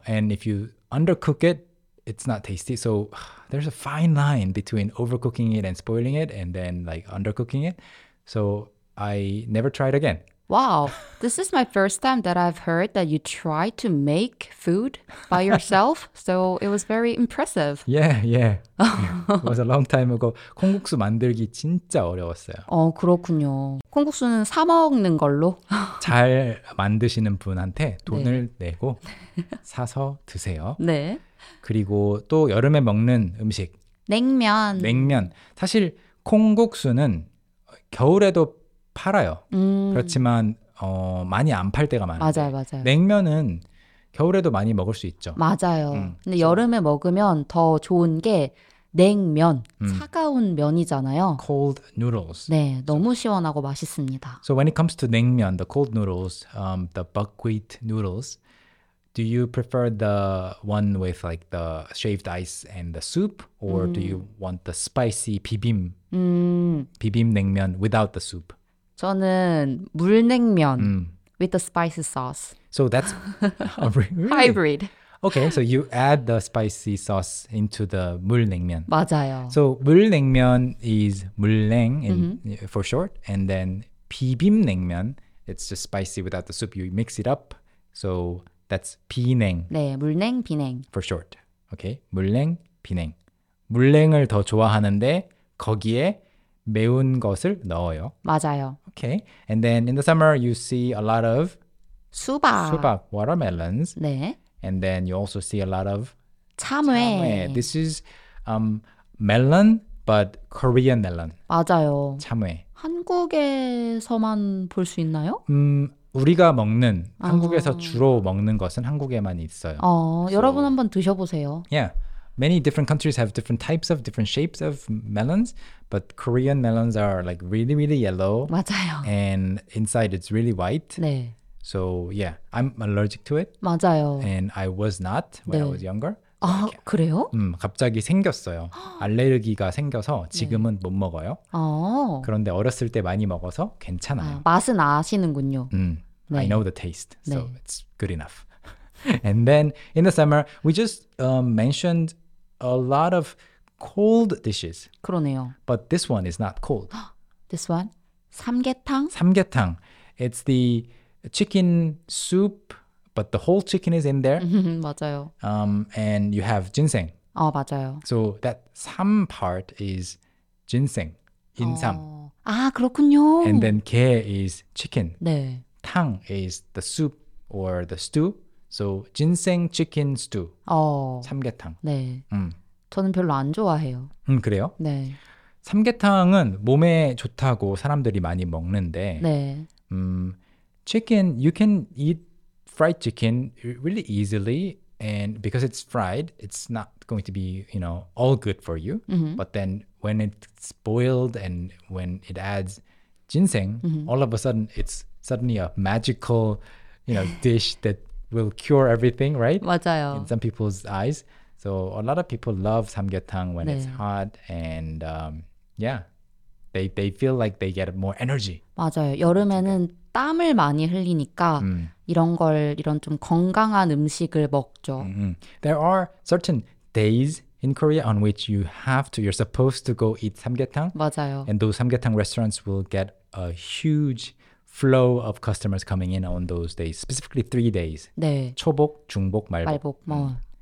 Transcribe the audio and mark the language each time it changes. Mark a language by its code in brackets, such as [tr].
[en] And if you undercook it, it's not tasty. So there's a fine line between overcooking it and spoiling it and then like undercooking it. So I never tried again. Wow, this is my first time that I've heard that you try to make food by yourself. So it was very impressive. Yeah, yeah. It was a long time ago. [ko] 콩국수 만들기 진짜 어려웠어요. 어, 그렇군요. 콩국수는 사 먹는 걸로. 잘 만드시는 분한테 돈을 네. 내고 사서 드세요. 네. 그리고 또 여름에 먹는 음식. 냉면. 냉면. 사실 콩국수는 겨울에도 팔아요. 그렇지만 어, 많이 안 팔 때가 많아요. 맞아요, 맞아요. 냉면은 겨울에도 많이 먹을 수 있죠. 맞아요. 근데 so. 여름에 먹으면 더 좋은 게 냉면, 차가운 면이잖아요. [en] Cold noodles. [ko] 네, 너무 so. 시원하고 맛있습니다. [en] So when it comes to 냉면, the cold noodles, the buckwheat noodles, do you prefer the one with like the shaved ice and the soup, or do you want the spicy 비빔, 비빔 냉면 without the soup? [ko] 저는 물냉면 [en] with the spicy sauce. So that's really? hybrid. Okay, so you add the spicy sauce into the 물냉면. [ko] 맞아요. [en] So 물냉면 is 물냉 in, for short. And then 비빔냉면, it's just spicy without the soup. You mix it up. So that's 비냉. [ko] 네, 물냉, 비냉. [en] For short. Okay, 물냉, 비냉. [ko] 물냉을 더 좋아하는데 거기에 매운 것을 넣어요. 맞아요. [en] Okay. And then in the summer, you see a lot of [ko] 수박. [en] 수박, watermelons. [ko] 네. [en] And then you also see a lot of [ko] 참외. 참외. [en] This is melon, but Korean melon. [ko] 맞아요. 참외. 한국에서만 볼 수 있나요? 우리가 먹는, 아. 한국에서 주로 먹는 것은 한국에만 있어요. 어, so. 여러분 한번 드셔보세요. [en] Yeah. Many different countries have different types of different shapes of melons, but Korean melons are like really, really yellow. [ko] 맞아요. [en] And inside it's really white. [ko] 네. [en] So yeah, I'm allergic to it. [ko] 맞아요. [en] And I was not when 네. I was younger. [ko] 아, 그래요? 갑자기 생겼어요. 알레르기가 생겨서 지금은 네. 못 먹어요. 아. 그런데 어렸을 때 많이 먹어서 괜찮아요. 아, 맛은 아시는군요. [en] 네. I know the taste, so 네. it's good enough. And then in the summer, we just mentioned a lot of cold dishes. [ko] 그러네요. [en] But this one is not cold. This one? 삼계탕? [ko] 삼계탕. [en] It's the chicken soup, but the whole chicken is in there. [ko] 맞아요. [en] And you have ginseng. [ko] 아, 맞아요. [en] So that 삼 part is ginseng, 인삼. [ko] 아, 그렇군요. [en] And then 게 is chicken. [ko] 네. [en] 탕 is the soup or the stew. So, ginseng chicken stew. 어, [ko] 삼계탕. 네. 저는 별로 안 좋아해요. 그래요? 네. 삼계탕은 몸에 좋다고 사람들이 많이 먹는데 네. [en] Chicken, you can eat fried chicken really easily and because it's fried, it's not going to be, you know, all good for you. But then when it's boiled and when it adds ginseng, all of a sudden it's suddenly a magical, you know, dish that will cure everything, right? [ko] 맞아요. [en] In some people's eyes. So a lot of people love samgyetang when 네. it's hot. And yeah, they feel like they get more energy. [ko] 맞아요. 여름에는 땀을 많이 흘리니까 이런 걸, 이런 좀 건강한 음식을 먹죠. [en] There are certain days in Korea on which you have to, you're supposed to go eat samgyetang. [ko] 맞아요. [en] And those samgyetang restaurants will get a huge flow of customers coming in on those days, specifically 3 days. [ko] 네. 초복, 중복, 말복. 말복, 뭐.